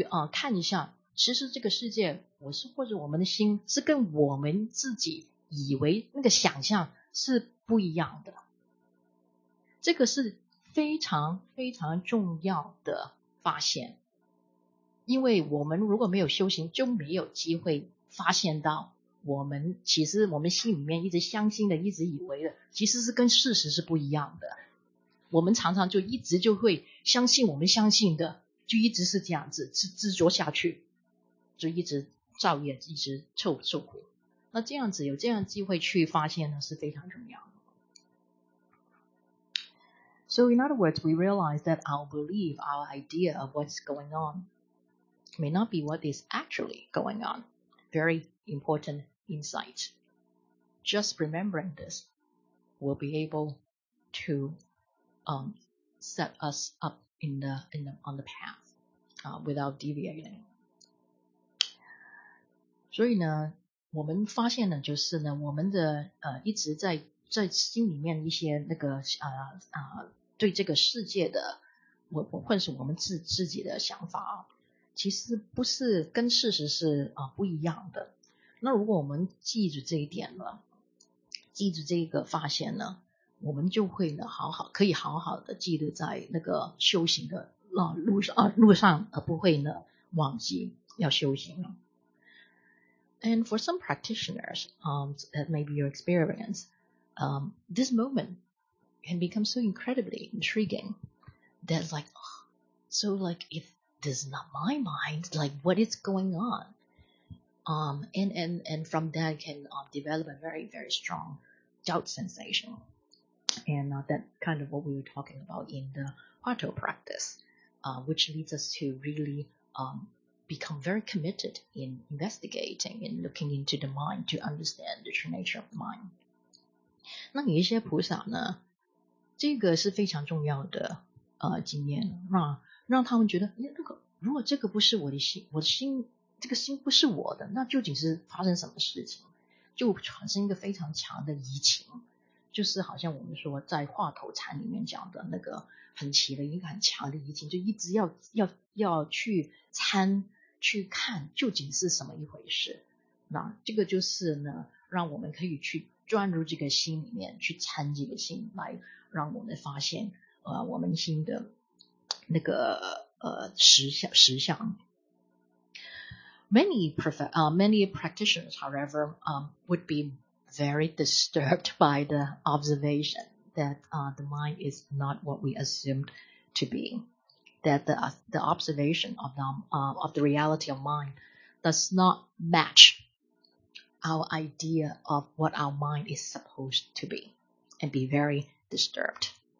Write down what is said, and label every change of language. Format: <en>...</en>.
<zh>看一下，其实这个世界，我是或者我们的心是跟我们自己以为那个想象是不一样的，这个是非常非常重要的发现，因为我们如果没有修行，就没有机会发现到我们其实我们心里面一直相信的，一直以为的，其实是跟事实是不一样的。我们常常就一直就会相信我们相信的，就一直是这样子执着下去，就一直造业，一直受苦。那这样子有这样机会去发现呢，是非常重要的。</zh> <en>So in other words, we realize that our belief, our idea of what's going on may not be what is actually going on. Very important insight. Just remembering this will be able to set us up on the path without deviating.</en> <zh>所以呢，我们发现呢，就是呢，我们的一直在心里面一些那个对这个世界的，或者是我们自己的想法，其实不是跟事实是不一样的。那如果我们记住这一点了，记住这个发现呢，我们就会呢好好的记录在那个修行的路上，而不会呢忘记要修行了。</zh> <en>And for some practitioners, that may be your experience, this moment can become so incredibly intriguing that if this is not my mind, like what is going on? And from that can develop a very, very strong doubt sensation. And that kind of what we were talking about in the Hwato practice, which leads us to really become very committed in investigating and looking into the mind to understand the true nature of the mind.</en> <zh>那有一些菩萨呢，这个是非常重要的经验，让他们觉得，如果这个不是我的心，我的心，这个心不是我的，那究竟是发生什么事情？就产生一个非常强的疑情，就是好像我们说在话头禅里面讲的那个很起了一个很强的疑情，就一直要去参去看究竟是什么一回事。那这个就是呢，让我们可以去钻入这个心里面，去参这个心，来让我们发现我们心的那个实相。</zh> <en>Many practitioners, however, would be very disturbed by the observation that the mind is not what we assumed to be. That the observation of the reality of mind does not match our idea of what our mind is supposed to be, and be very disturbed.</en>